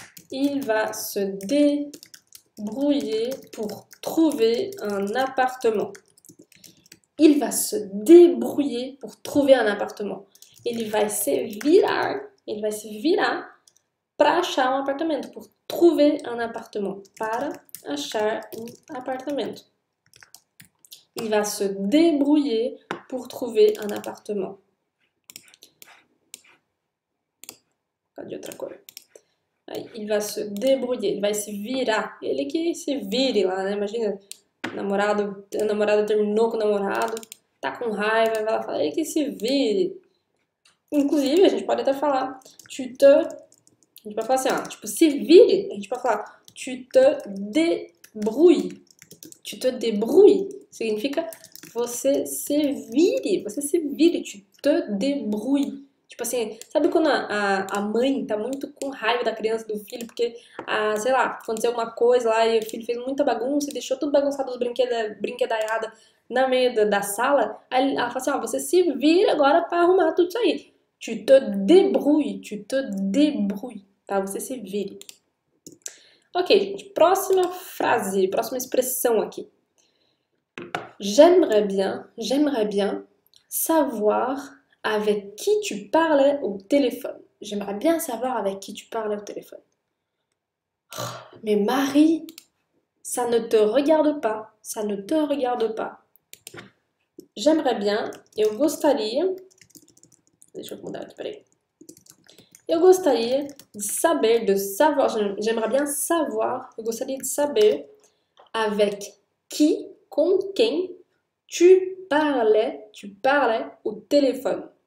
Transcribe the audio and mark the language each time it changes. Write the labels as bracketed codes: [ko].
[fr] Il va se débrouiller pour trouver un appartement. Il va se débrouiller pour trouver un appartement. Il va se [pt] virar para achar um apartamento. [fr] Pour trouver un appartement. [pt] Para achar um apartamento. [fr] Il va se débrouiller pour trouver un appartement. Pas [pt] de outra cor. [fr] Il va se débrouiller, il va se virar. [pt] Ele que se vire lá, né? Imagina, namorado, a namorada terminou com o namorado, tá com raiva, vai lá falar, ele que se vire. Inclusive, a gente pode até falar, tu te. A gente pode falar assim, ó, tipo, se vire, a gente pode falar, [fr] tu te débrouilles. Tu te débrouilles [pt] significa você se vire, [fr] tu te débrouilles. [pt] Tipo assim, sabe quando a mãe tá muito com raiva da criança, do filho, porque, sei lá, aconteceu alguma coisa lá e o filho fez muita bagunça e deixou tudo bagunçado, os brinquedaiada na meio da sala? Aí ela fala assim, ó, você se vira agora pra arrumar tudo isso aí. [fr] Tu te débrouilles, tu te débrouilles, tá? [pt] Você se vire. Ok, gente, próxima frase, próxima expressão aqui. [fr] J'aimerais bien savoir... Avec qui tu parlais au téléphone? J'aimerais bien savoir avec qui tu parlais au téléphone. Oh, mais Marie, ça ne te regarde pas. Ça ne te regarde pas. J'aimerais bien, [pt] eu gostaria. Deixa eu mudar aqui, peraí. Eu gostaria de [fr] savoir. J'aimerais bien savoir. [pt] Eu gostaria de saber [fr] avec qui, [pt] com quem [fr] tu parlais au téléphone.